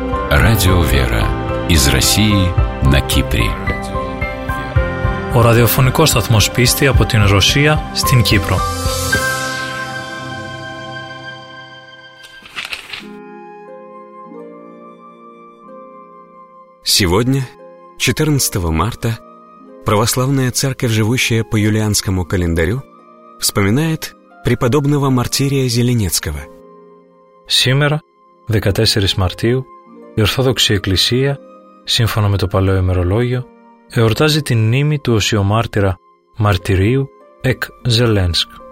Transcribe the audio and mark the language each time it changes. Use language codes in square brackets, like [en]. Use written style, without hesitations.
[ru] Радио «Вера» из России на Кипре. [el] Ο ραδιοφωνικός σταθμός πίστη από την Ρωσία στην Κύπρο. [ru] Сегодня, 14 марта, православная церковь, живущая по юлианскому календарю, вспоминает преподобного мартирия Зеленецкого. Сегодня, 14 мартию, [el] η Ορθόδοξη Εκκλησία, σύμφωνα με το παλαιό ημερολόγιο, εορτάζει την μνήμη του οσιομάρτυρα μαρτυρίου εκ Ζελένσκ.